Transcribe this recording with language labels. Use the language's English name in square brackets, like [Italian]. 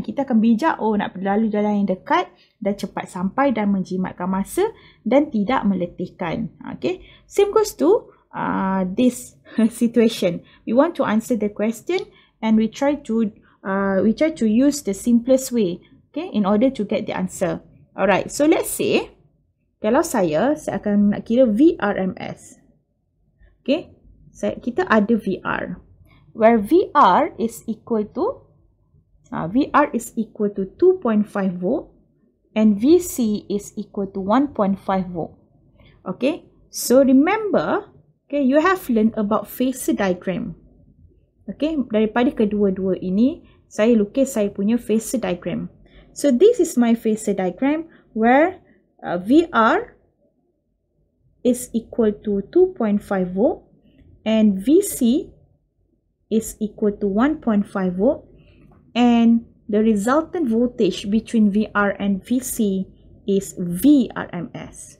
[Malay] Kita akan bijak, oh nak lalu jalan yang dekat dan cepat sampai dan menjimatkan masa dan tidak meletihkan. [English] Okay, same goes to this situation. We want to answer the question and we try to use the simplest way. Okay, in order to get the answer. Alright, so let's say, [Malay] kalau saya akan nak kira [English] VRMS. Okay, [Malay] kita ada VR. [English] Where VR is equal to, VR is equal to 2.5 volt and VC is equal to 1.5 volt. Okay, so remember, okay, you have learned about phase diagram. [Malay] Okay, daripada kedua-dua ini, saya lukis saya punya phase diagram. [English] So this is my phase diagram where VR is equal to 2.5 volt and VC is equal to 1.5 volt and the resultant voltage between VR and VC is VRMS.